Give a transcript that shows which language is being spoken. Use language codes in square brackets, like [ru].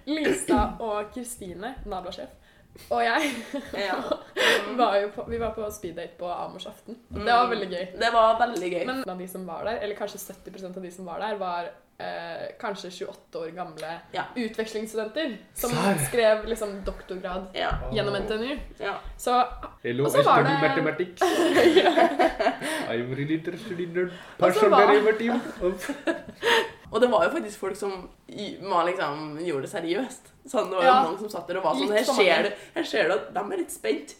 [no] Lisa og Kristine, nabla-sjef, og jeg var jo på, vi var på speed date på Amorsaften. Det var veldig gøy. Det var veldig gøy. Men de som var der, eller kanskje 70% av de som var der, var kanskje 28 år gamle utvekslingsstudenter som skrev liksom doktorgrad gjennom NTNU. Ja. Så, hello, og så var det... [en] Hello, I I'm really interested in the personal team. [no] Og det var jo faktisk folk som man liksom gjorde det seriøst. Sånn, det var jo noen som satt der og var sånn, her ser du at de er litt spent.